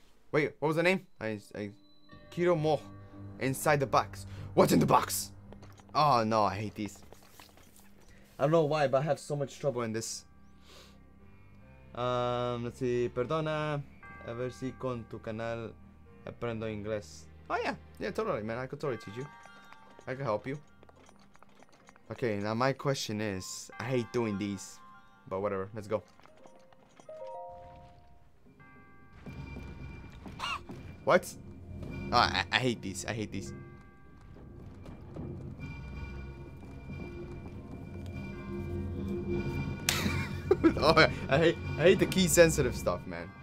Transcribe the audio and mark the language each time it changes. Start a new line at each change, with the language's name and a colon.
English: Wait, what was the name? I Kiro Mo. Inside the box. What's in the box? Oh no, I hate these. I don't know why, but I have so much trouble in this. Let's see.
Spanish: Perdona. A ver si con tu canal aprendo inglés.
English: Oh yeah. Yeah, totally, man. I could totally teach you. I could help you. Okay, now my question is, I hate doing these, but whatever, let's go. What? Oh, I hate these. Oh, I hate the key sensitive stuff, man.